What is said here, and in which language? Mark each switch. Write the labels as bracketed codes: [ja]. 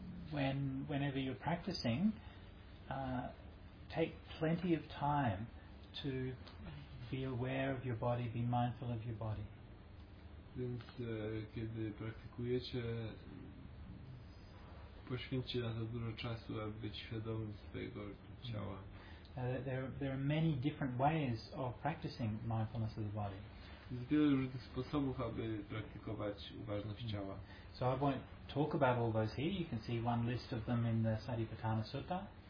[en] So whenever you're practicing, take plenty of time to be aware of your body, be mindful of your body. [pl] Więc kiedy praktykujecie, poświęćcie na to dużo czasu, aby być świadomym swojego ciała. [en] There are many different ways of practicing mindfulness of the body. [pl] Jest wiele różnych sposobów, aby praktykować uważność ciała. [en] So I won't talk about all those here. You can see one list of them in the Satipatthana Sutta.